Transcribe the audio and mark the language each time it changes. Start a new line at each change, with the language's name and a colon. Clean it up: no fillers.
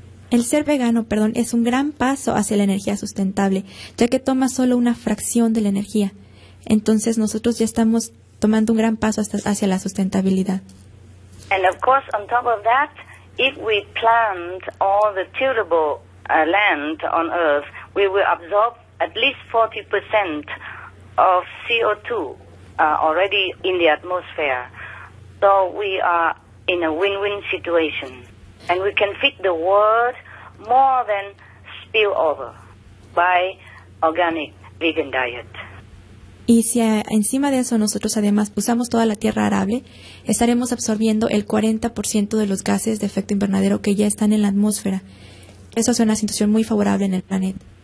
Spanish: El ser vegano, perdón, es un gran paso hacia la energía sustentable, ya que toma solo una fracción de la energía. Entonces nosotros ya estamos tomando un gran paso hacia la sustentabilidad.
English: And of course, on top of that, if we plant all the tillable land on Earth, we will absorb at least 40% of CO2. Already in the atmosphere. So we are in a win-win situation. And we can feed the world more than spillover by organic vegan diet.
Spanish: Y si encima de eso nosotros además usamos toda la tierra arable, estaremos absorbiendo el 40% de los gases de efecto invernadero que ya están en la atmósfera. Eso es una situación muy favorable en el planeta.